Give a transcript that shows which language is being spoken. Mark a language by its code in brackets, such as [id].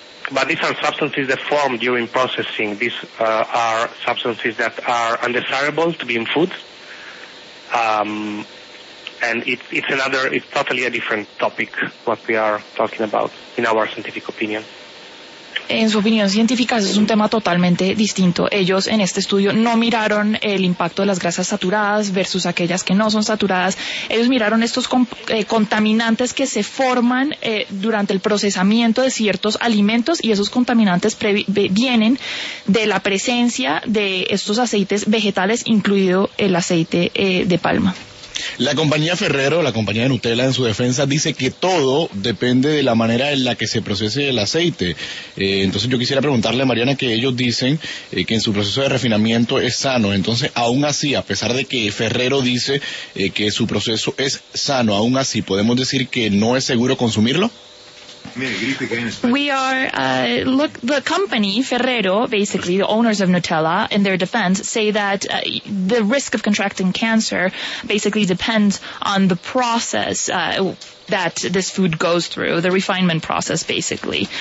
[en] But these are substances that form during processing. These are substances that are undesirable to be in food. And it's totally a different topic what we are talking about in our scientific opinion. [es] En su opinión científica, es un tema totalmente distinto. Ellos en este estudio no miraron el impacto de las grasas saturadas versus aquellas que no son saturadas. Ellos miraron estos contaminantes que se forman durante el procesamiento de ciertos alimentos, y esos contaminantes vienen de la presencia de estos aceites vegetales, incluido el aceite de palma. La compañía Ferrero, la compañía de Nutella, en su defensa, dice que todo depende de la manera en la que se procese el aceite. Entonces yo quisiera preguntarle a Mariana, que ellos dicen que en su proceso de refinamiento es sano. Entonces, aún así, a pesar de que Ferrero dice que su proceso es sano, aún así, ¿podemos decir que no es seguro consumirlo? [en] We are, look, the company, Ferrero, basically the owners of Nutella, in their defense, say that the risk of contracting cancer basically depends on the process that this food goes through, the refinement process, basically.